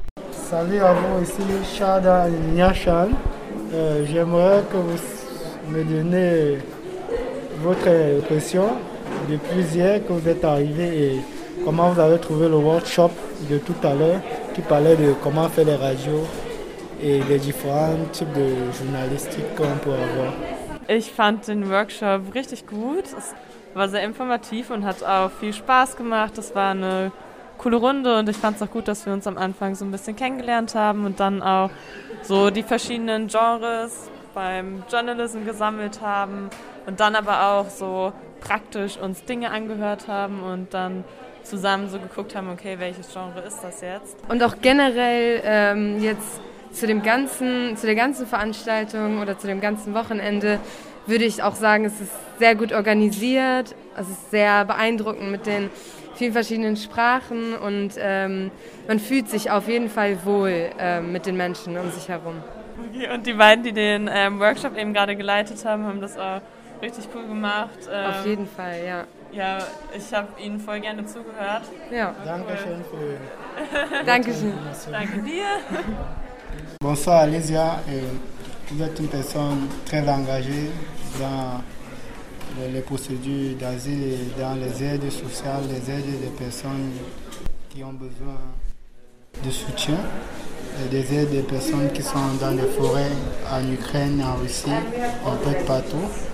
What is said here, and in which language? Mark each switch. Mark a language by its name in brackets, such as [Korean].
[French] Salut à vous, ici Shada Nyashal. J'aimerais que vous me donner votre impression depuis hier que vous êtes arrivé et comment vous avez trouvé le workshop de tout à l'heure qui parlait de comment faire les radios et les différents types de journalistique qu'on peut avoir. [German] Ich fand den Workshop richtig gut. Es war sehr informativ und hat auch viel Spaß gemacht. Es war eine coole Runde und ich fand es auch gut, dass wir uns am Anfang so ein bisschen kennengelernt haben und dann auch so die verschiedenen Genres beim Journalism gesammelt haben und dann aber auch so praktisch uns Dinge angehört haben und dann zusammen so geguckt haben, okay, welches Genre ist das jetzt? Und auch generell jetzt zu der ganzen Veranstaltung oder zu dem ganzen Wochenende würde ich auch sagen, es ist sehr gut organisiert, es ist sehr beeindruckend mit den vielen verschiedenen Sprachen und man fühlt sich auf jeden Fall wohl mit den Menschen um sich herum. Okay, und die beiden, die den Workshop eben gerade geleitet haben, haben das auch richtig cool gemacht. Auf jeden Fall, ja. Ja, ich habe Ihnen voll gerne zugehört. Ja. Dankeschön für die Dankeschön. Danke dir. [French] Bonsoir Alicia, vous êtes une personne très engagée dans les procédures d'asile et dans les aides sociales, les aides des personnes qui ont besoin de soutien, et des aides des personnes qui sont dans les forêts en Ukraine, en Russie, en fait partout.